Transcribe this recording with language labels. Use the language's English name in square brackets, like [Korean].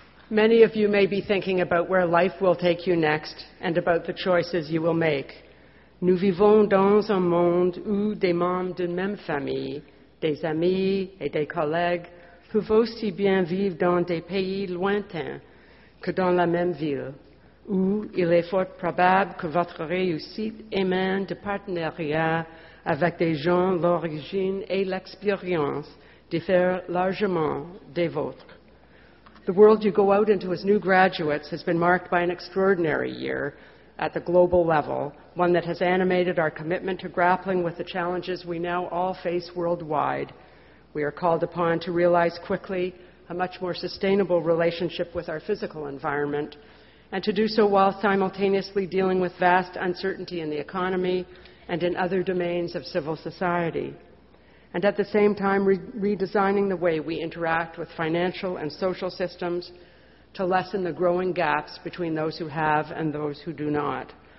[English] Many of you may be thinking about where life will take you next and about the choices you will make. [French] Nous vivons dans un monde où des membres d'une même famille, des amis et des collègues peuvent aussi bien vivre dans des pays lointains que dans la même ville, où il est fort probable que votre réussite émane de partenariats avec des gens d'origine et l'expérience diffèrent largement des vôtres. [English] The world you go out into as new graduates has been marked by an extraordinary year at the global level, one that has animated our commitment to grappling with the challenges we now all face worldwide. We are called upon to realize quickly a much more sustainable relationship with our physical environment, and to do so while simultaneously dealing with vast uncertainty in the economy and in other domains of civil society, and at the same time redesigning the way we interact with financial and social systems to lessen the growing gaps between those who have and those who do not.